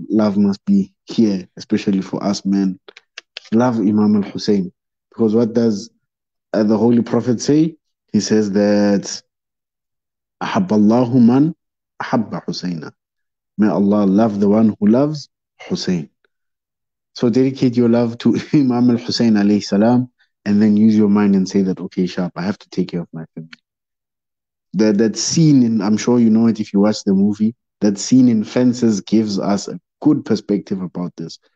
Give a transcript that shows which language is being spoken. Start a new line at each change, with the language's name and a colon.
English: Love must be here, especially for us men. Love Imam al-Hussein. Because what does the Holy Prophet say? He says that
Arabic: أحب الله من أحب حسين.
English: May Allah love the one who loves Hussein. So dedicate your love to Imam al-Hussein alayhi salam, and then use your mind and say that, okay, sharp, I have to take care of my family. That scene, and I'm sure you know it if you watch the movie, that scene in Fences gives us a good perspective about this.